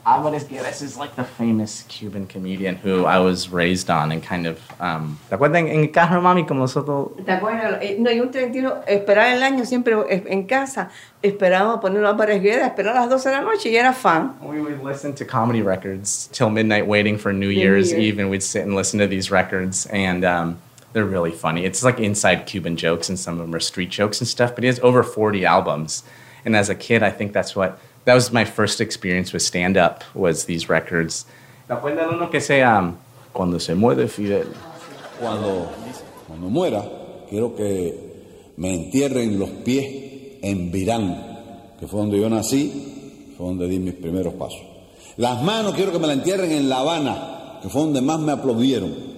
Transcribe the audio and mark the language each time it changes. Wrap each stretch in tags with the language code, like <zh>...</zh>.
<en>Álvarez Guedes is like the famous Cuban comedian who I was raised on and kind of...</en> <es>¿Te acuerdas en casa, mami, como nosotros...? ¿Te acuerdas? No, y un trentino, esperar el año siempre en casa. Esperábamos poner Álvarez Guedes, esperar las 12 de la noche y era fan.</es> <en>We would listen to comedy records till midnight waiting for New Year's Eve, and we'd sit and listen to these records. And they're really funny. It's like inside Cuban jokes, and some of them are street jokes and stuff. But he has over 40 albums. And as a kid, I think that's what, that was my first experience with stand-up, was these records.</en> <es>¿Te acuerdas uno que sea cuando se muere Fidel? Cuando muera, quiero que me entierren los pies en Virán, que fue donde yo nací, fue donde di mis primeros pasos. Las manos quiero que me la entierren en La Habana, que fue donde más me aplaudieron.</es>